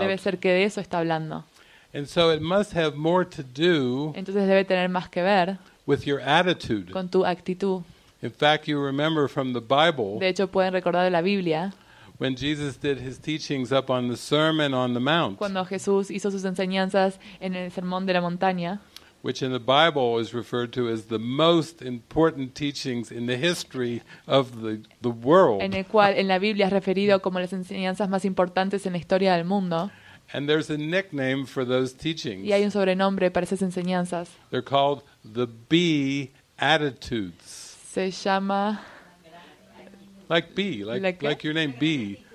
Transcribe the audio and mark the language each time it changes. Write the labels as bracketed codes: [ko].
[es] Debe ser que de eso está hablando. [en] And so it must have more to do. [es] Entonces debe tener más que ver. [en] With your attitude. [es] Con tu actitud. [en] In fact, you remember from the Bible. [es] De hecho pueden recordar de la Biblia. [en] When Jesus did his teachings up on the Sermon on the Mount. [es] Cuando Jesús hizo sus enseñanzas en el Sermón de la Montaña. [en] Which in the Bible is referred to as the most important teachings in the history of the world. [es] En el cual en la Biblia es referido como las enseñanzas más importantes en la historia del mundo. [en] And there's a nickname for those teachings. [es] Y hay un sobrenombre para esas enseñanzas. [en] They're called the Beatitudes. [es] Se llama [en] like your name Bee.